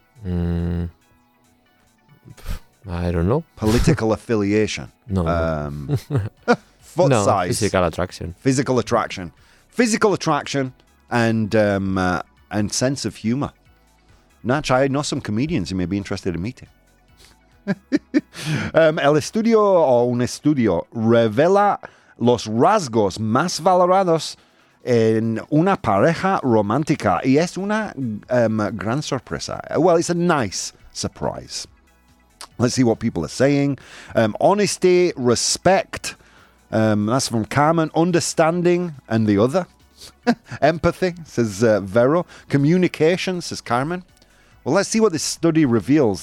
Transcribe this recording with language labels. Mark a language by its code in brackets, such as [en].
[en] I don't know. Political affiliation. No. Foot size. Physical attraction. Physical attraction. Physical attraction and sense of humor. Natch, I know some comedians you may be interested in meeting. [es] El estudio o un estudio revela los rasgos más valorados en una pareja romántica. Y es una gran sorpresa. [en] Well, it's a nice surprise. Let's see what people are saying. Honesty, respect. That's from Carmen. Understanding and the other. Empathy, says Vero. Communication, says Carmen. Well, let's see what this study reveals.